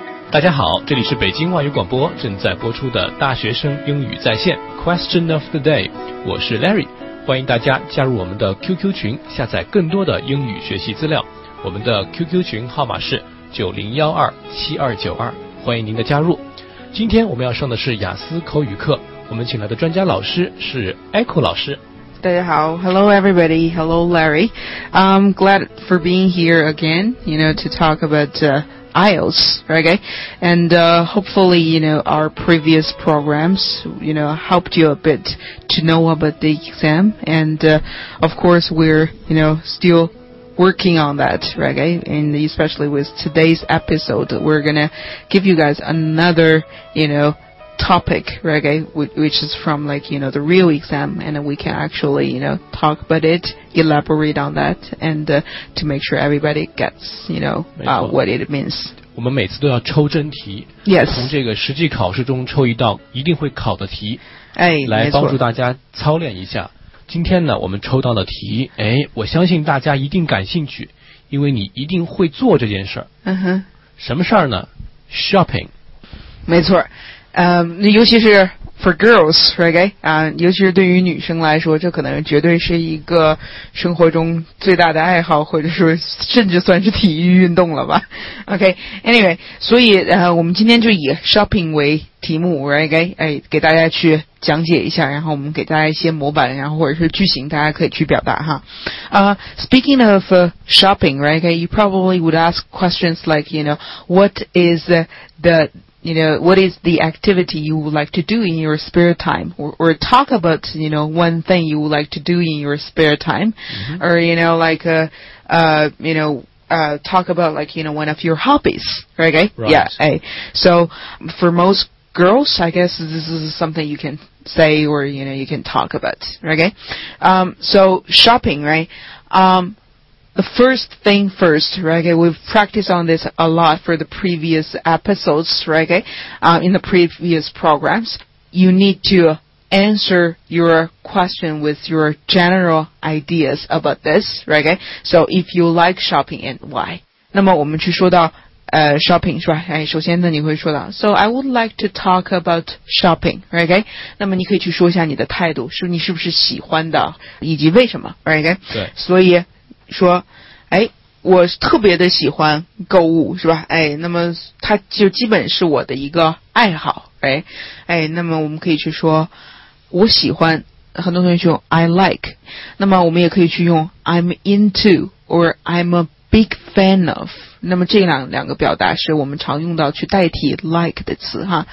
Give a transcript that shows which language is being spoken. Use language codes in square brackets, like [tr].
[zh] 大家好，这里是北京外语广播正在播出的大学生英语在线 Question of the Day， 我是 Larry， 欢迎大家加入我们的 QQ 群，下载更多的英语学习资料。我们的 QQ 群号码是90127292，欢迎您的加入。今天我们要上的是雅思口语课，我们请来的专家老师是 Echo 老师。大家好， [en] Hello everybody, Hello Larry, I'm glad for being here again, you know, to talk aboutIELTS, okay, and hopefully, you know, our previous programs, you know, helped you a bit to know about the exam, and of course, we're, you know, still working on that, okay, and especially with today's episode, we're gonna give you guys another, you know, topic, okay, which is from, like, you know, the real exam, and we can actually, you know, talk about it. Elaborate on that and to make sure everybody gets, you know, what it means. [zh] 我们每次都要抽真题。 [en] Yes. [zh] 从这个实际考试中抽一道一定会考的题。哎，来帮助大家操练一下。今天呢，我们抽到的题，哎，我相信大家一定感兴趣，因为你一定会做这件事儿。嗯哼。什么事儿呢 ？Shopping. 没错。尤其是 [en] For girls, right? [zh] 尤其是对于女生来说，这可能绝对是一个生活中最大的爱好，或者说甚至算是体育运动了吧。 [en] Okay, anyway, [zh] 所以我们今天就以 shopping 为题目 ， [en] right? [zh] 哎，给大家去讲解一下，然后我们给大家一些模板，然后或者是句型，大家可以去表达哈。 [en] Speaking of shopping, right? You probably would ask questions like, you know, what is the You know, what is the activity you would like to do in your spare time? Or talk about, you know, one thing you would like to do in your spare time. Mm-hmm. Or, you know, like, talk about, like, you know, one of your hobbies. Right? Right. Yeah. Hey. So, for most girls, I guess this is something you can say or, you know, you can talk about. Right? So, shopping, right? The first thing first, right? Okay, we've practiced on this a lot for the previous episodes, right? Okay, in the previous programs, you need to answer your question with your general ideas about this, right? Okay, so if you like shopping and why? [zh] 那么我们去说到shopping 是吧？哎，首先呢，你会说到 ， [en] So I would like to talk about shopping, right? [zh] 那么你可以去说一下你的态度，是你是不是喜欢的，以及为什么 ， [en] right? [zh] 对，所以。说，哎，我特别的喜欢购物，是吧？哎，那么它就基本是我的一个爱好，哎，哎，那么我们可以去说，我喜欢，很多同学用 I like， 那么我们也可以去用 [en] I'm into or I'm a big fan of， [zh] 那么这两个表达是我们常用到去代替 like 的词哈。